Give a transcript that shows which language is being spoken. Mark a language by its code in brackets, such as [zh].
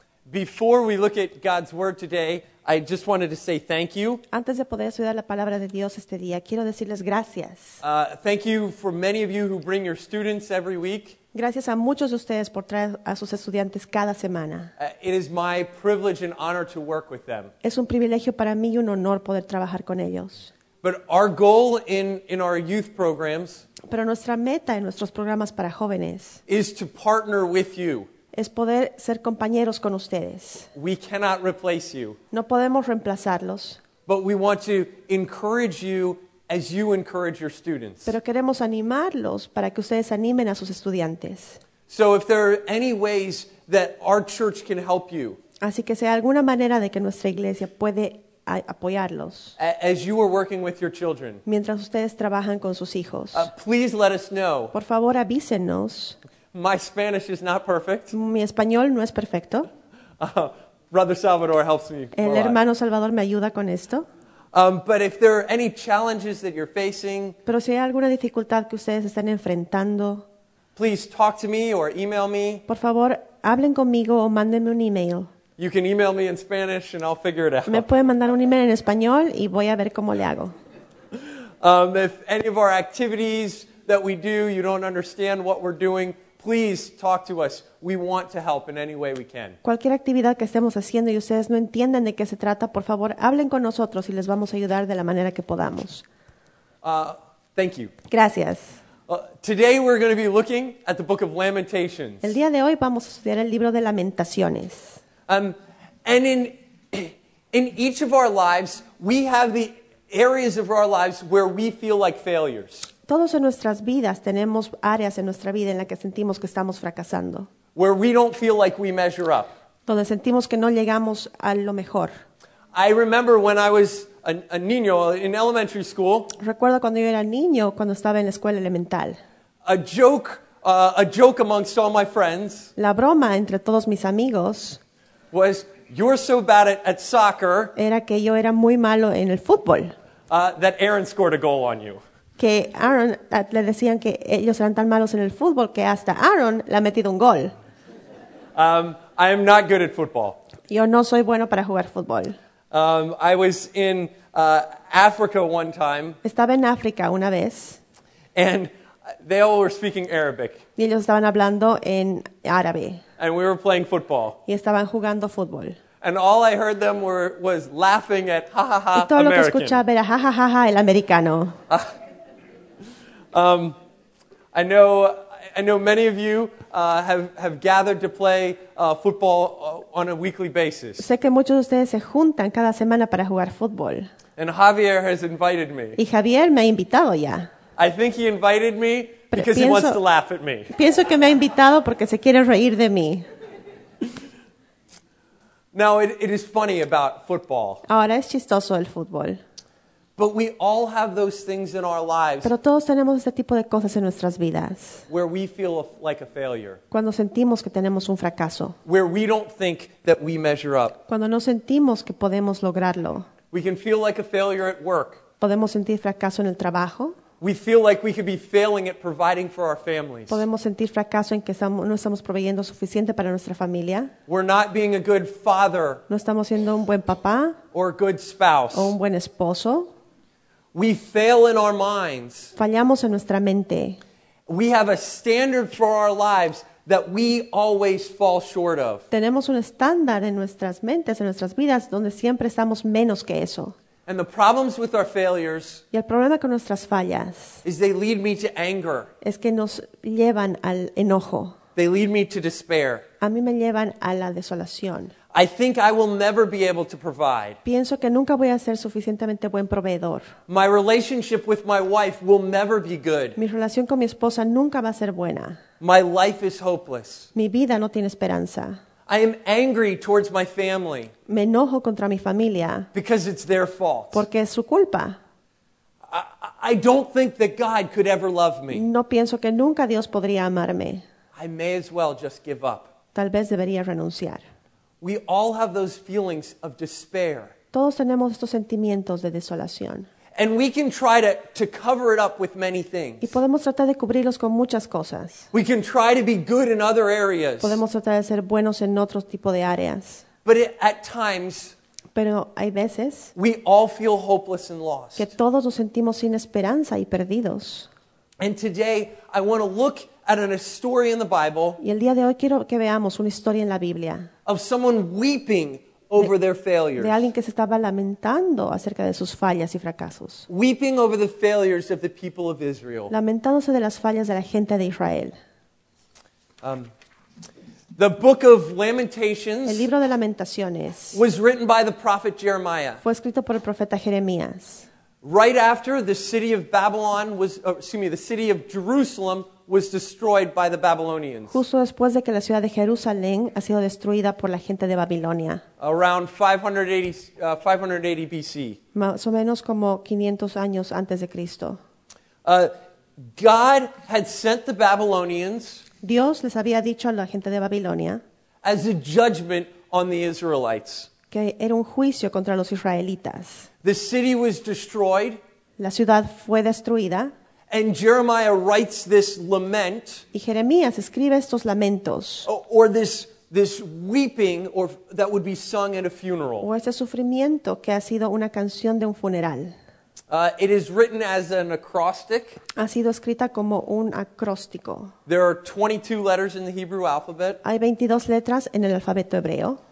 [en] Before we look at God's word today, I just wanted to say thank you. [es] Antes de poder estudiar la palabra de Dios este día, quiero decirles gracias. [en] Thank you for many of you who bring your students every week. [es] Gracias a muchos de ustedes por traer a sus estudiantes cada semana. [en] It is my privilege and honor to work with them. [es] Es un privilegio para mí y un honor poder trabajar con ellos. [en] But our goal in our youth programs. [es] Pero nuestra meta en nuestros programas para jóvenes. [en] Is to partner with you. [es] Es poder ser compañeros con ustedes. [en] We cannot replace you. [es] No podemos reemplazarlos. [en] But we want to encourage you as you encourage your students. [es] Pero queremos animarlos para que ustedes animen a sus estudiantes. [en] So if there are any ways that our church can help you. [es] Así que si hay alguna manera de que nuestra iglesia puede apoyarlos. [en] As you are working with your children. [es] Mientras ustedes trabajan con sus hijos. [en] Please let us know. [es] Por favor, avísenos. [en] My Spanish is not perfect. [es] Mi español no es perfecto. [en] Brother Salvador helps me. [es] El hermano Salvador me ayuda con esto. [en] But if there are any challenges that you're facing, [es] pero si hay alguna dificultad que ustedes están enfrentando, [en] please talk to me or email me. [es] Por favor, hablen conmigo o mándenme un email. [en] You can email me in Spanish and I'll figure it out. [es] Me pueden mandar un email en español y voy a ver cómo le hago. [en] If any of our activities that we do, you don't understand what we're doing, please talk to us. We want to help in any way we can. [es] Cualquier actividad que estemos haciendo y ustedes no entiendan de qué se trata, por favor, hablen con nosotros y les vamos a ayudar de la manera que podamos. [en] Thank you. [es] Gracias. [en] Today we're going to be looking at the book of Lamentations. [es] El día de hoy vamos a estudiar el libro de Lamentaciones. [en] And in each of our lives, we have the areas of our lives where we feel like failures. [es] Todos en nuestras vidas tenemos áreas en nuestra vida en las que sentimos que estamos fracasando. [en] Where we don't feel like we measure up. [es] Donde sentimos que no llegamos a lo mejor. [en] I remember when I was a niño in elementary school. [es] Recuerdo cuando yo era niño, cuando estaba en la escuela elemental. [en] A joke amongst all my friends. [es] La broma entre todos mis amigos. [en] Was you're so bad at soccer. [es] Era que yo era muy malo en el fútbol. [en] That Aaron scored a goal on you. [es] Que Aaron, le decían que ellos eran tan malos en el fútbol que hasta Aaron le ha metido un gol. [en] I am not good at football. [es] Yo no soy bueno para jugar fútbol. [en] I was in Africa one time. [es] Estaba en África una vez. [en] And they all were speaking Arabic. [es] Y ellos estaban hablando en árabe. [en] And we were playing football. [es] Y estaban jugando fútbol. [en] And all I heard them was laughing at ha ha ha. [es] Y todo [en] American. [es] Lo que escuchaba era ha ha ha ha el americano. [en] I know many of you have gathered to play football on a weekly basis. [es] Sé que muchos de ustedes se juntan cada semana para jugar fútbol. [en] And Javier has invited me. [es] Y Javier me ha invitado ya. [en] I think he invited me because he wants to laugh at me. [es] Pienso que me ha invitado porque se quiere reír de mí. [en] Now it is funny about football. [es] Ahora es chistoso el fútbol. [en] But we all have those things in our lives. [es] Pero todos tenemos este tipo de cosas en nuestras vidas. [en] Where we feel like a failure. [es] Cuando sentimos que tenemos un fracaso. [en] Where we don't think that we measure up. [es] Cuando no sentimos que podemos lograrlo. [en] We can feel like a failure at work. [es] Podemos sentir fracaso en el trabajo. [en] We feel like we could be failing at providing for our families. [es] Podemos sentir fracaso en que no estamos proveyendo suficiente para nuestra familia. [en] We're not being a good father. [es] No estamos siendo un buen papá. [en] Or a good spouse. [es] O un buen esposo. [en] We fail in our minds. [es] Fallamos en nuestra mente. [en] We have a standard for our lives that we always fall short of. [es] Tenemos un estándar en nuestras mentes, en nuestras vidas, donde siempre estamos menos que eso. [en] And the problems with our failures, [es] y el problema con nuestras fallas, [en] is they lead me to anger. [es] Es que nos llevan al enojo. [en] They lead me to despair. [es] A mí me llevan a la desolación. [en] I think I will never be able to provide. [es] Pienso que nunca voy a ser suficientemente buen proveedor. [en] My relationship with my wife will never be good. [es] Mi relación con mi esposa nunca va a ser buena. [en] My life is hopeless. [es] Mi vida no tiene esperanza. [en] I am angry towards my family. [es] Me enojo contra mi familia. [en] Because it's their fault. [es] Porque es su culpa. [en] I don't think that God could ever love me. [es] No pienso que nunca Dios podría amarme. [en] I may as well just give up. [es] Tal vez debería renunciar. [en] We all have those feelings of despair. [es] Todos tenemos estos sentimientos de desolación. [en] And we can try to cover it up with many things. [es] Y podemos tratar de cubrirlos con muchas cosas. [en] We can try to be good in other areas. [es] Podemos tratar de ser buenos en otro tipo de áreas. [en] But at times, [es] pero hay veces, [en] we all feel hopeless and lost. [es] Que todos nos sentimos sin esperanza y perdidos. [en] And today, I want to look at a story in the Bible. [es] Y el día de hoy quiero que veamos una historia en la Biblia. [en] Of someone weeping over their failures. [es] De alguien que se estaba lamentando acerca de sus fallas y fracasos. [en] Weeping over the failures of the people of Israel. [es] Lamentándose de las fallas de la gente de Israel. [en] The book of Lamentations. [es] El libro de Lamentaciones. [en] Was written by the prophet Jeremiah. [es] Fue escrito por el profeta Jeremías. [en] Right after the city of Babylon was, the city of Jerusalem was destroyed by the Babylonians. [es] Justo después de que la ciudad de Jerusalén ha sido destruida por la gente de Babilonia. [en] Around 580 BC. [es] Más o menos como 500 años antes de Cristo. [en] God had sent the Babylonians. [es] Dios les había dicho a la gente de Babilonia. [en] As a judgment on the Israelites. [es] Que era un juicio contra los israelitas. [en] The city was destroyed. [es] La ciudad fue destruida. [en] And Jeremiah writes this lament. [es] Y Jeremías escribe estos lamentos. [en] Or this weeping or that would be sung at a funeral. [es] O este sufrimiento que ha sido una canción de un funeral. [en] It is written as an acrostic. [es] Ha sido escrita como un acróstico. [en] There are 22 letters in the Hebrew alphabet. [es] Hay 22 letras en el alfabeto hebreo.